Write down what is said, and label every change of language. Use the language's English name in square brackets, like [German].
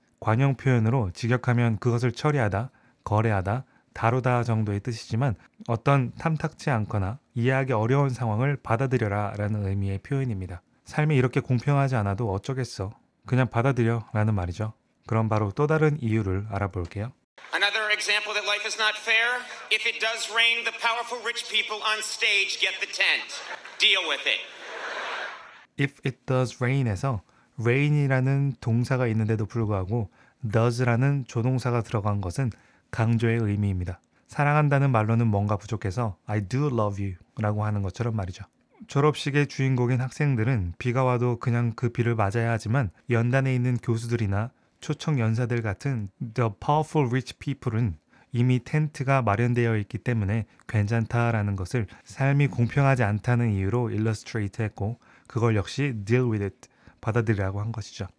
[Korean] 관용 표현으로 직역하면 그것을 처리하다, 거래하다, 다루다 정도의 뜻이지만 어떤 탐탁지 않거나 이해하기 어려운 상황을 받아들여라 라는 의미의 표현입니다. 삶이 이렇게 공평하지 않아도 어쩌겠어. 그냥 받아들여 라는 말이죠. 그럼 바로 또 다른 이유를 알아볼게요. [English] Another example that life is not fair. If it does rain, the powerful rich people on stage get the tent. Deal with it. If it does rain [Korean] 에서 rain이라는 동사가 있는데도 불구하고 does라는 조동사가 들어간 것은 강조의 의미입니다. 사랑한다는 말로는 뭔가 부족해서 [English] I do love you [Korean] 라고 하는 것처럼 말이죠. 졸업식의 주인공인 학생들은 비가 와도 그냥 그 비를 맞아야 하지만 연단에 있는 교수들이나 초청 연사들 같은 [English] the powerful rich people [Korean] 은 이미 텐트가 마련되어 있기 때문에 괜찮다라는 것을 삶이 공평하지 않다는 이유로 illustrate 했고 그걸 역시 [English] deal with it [Korean] 받아들이라고 한 것이죠.